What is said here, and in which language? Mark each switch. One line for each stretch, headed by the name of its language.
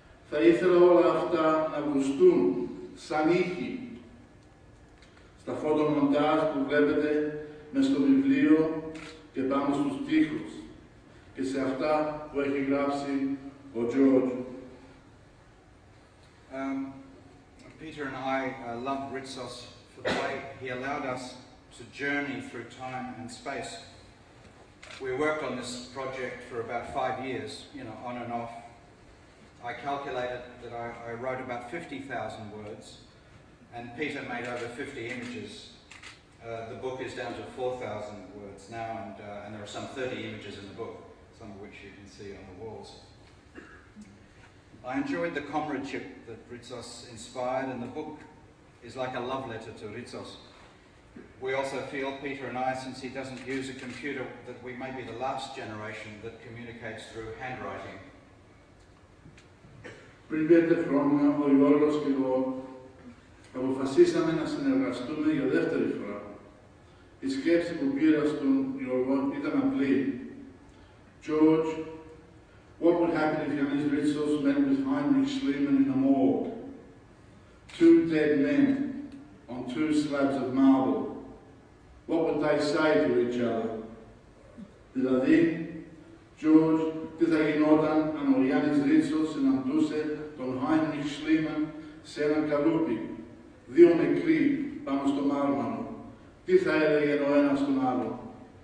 Greek: Θα ήθελα όλα αυτά να γουστούν σαν ήχη στα φωτομοντάζ που βλέπετε μέσα στο βιβλίο και πάνω στους τοίχους και σε αυτά που έχει γράψει ο Τζορτζ.
English: Peter and I love Ritsos for the way he allowed us to journey through time and space. We worked on this project for about 5 years, you know, on and off. I calculated that I wrote about 50,000 words, and Peter made over 50 images. The book is down to 4,000 words now, and there are some 30 images in the book, some of which you can see on the walls. I enjoyed the comradeship that Ritsos inspired, and the book is like a love letter to Ritsos. We also feel, Peter and I, since he doesn't use a computer, that we may be the last generation that communicates through handwriting.
Greek: Πριν 5 χρόνια, ο Γιώργος και εγώ αποφασίσαμε να συνεργαστούμε για δεύτερη φορά. Η σκέψη που πήρα στον Γιώργο ήταν απλή.
English: George, what would happen if Yiannis Ritsos went with Heinrich Schliemann in a morgue? Two dead men on two slabs of marble. What would they say to each other?
Greek: Δηλαδή, George, τι θα γινόταν αν ο Yiannis Ritsos συναντούσε τον Heinrich Schliemann σε ένα καλούπι, δύο νεκροί πάνω στο μάρμαρο. Τι θα έλεγε ο ένας τον άλλο.